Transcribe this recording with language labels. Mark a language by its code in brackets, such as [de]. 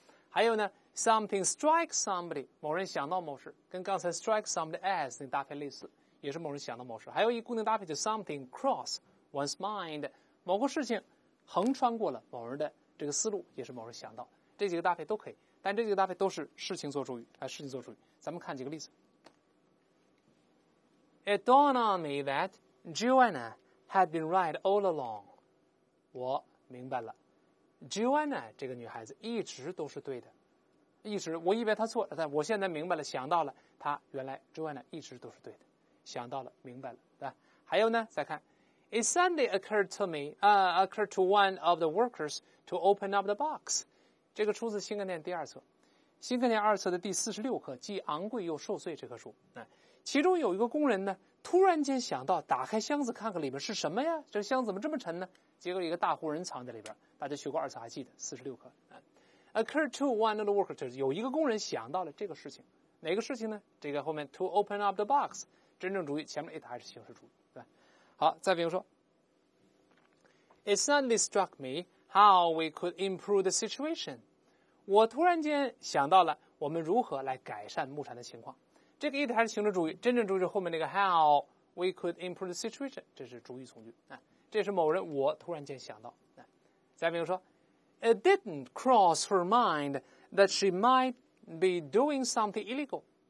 [zh] 还有呢 ， [en] something strikes somebody， [zh] 某人想到某事，跟刚才 [en] strike somebody as [zh] 那搭配类似，也是某人想到某事。还有一固定搭配就 [en] something cross one's mind， [zh] 某个事情横穿过了某人的这个思路，也是某人想到。这几个搭配都可以。但这几个搭配都是事情做主语，事情做主语。咱们看几个例子。 [en] It dawned on me that Joanna had been right all along. [zh] 我明白了 ，Joanna 这个女孩子一直都是对的，一直我以为她错，但我现在明白了，想到了她原来 Joanna 一直都是对的，想到了，明白了，对吧？还有呢，再看 [en] ，It suddenly occurred to me, occurred to one of the workers to open up the box. [zh] 这个出自新概念第二册，新概念二册的第46课，即昂贵又受罪这棵树。其中有一个工人呢，突然间想到打开箱子看看里面是什么呀，这箱子怎么这么沉呢？结果一个大活人藏在里边，大家学过二册还记得46课。 [en] Occurred to one of the workers， [zh] 有一个工人想到了这个事情，哪个事情呢？这个后面 [en] to open up the box， [zh] 真正主语前面 it 还是形式主语，对吧？好，再比如说 [en] It suddenly struck meHow we could improve the situation. [zh] 我突然间想到了我们如何来改善目前的情况。这个 it 还是形式主语，真正主语是后面那个 [en] how we could improve the situation， [zh] 这是主语从句。这是某人我突然间想到。再比如说 [en] ,it didn't cross her mind that she might be doing something illegal.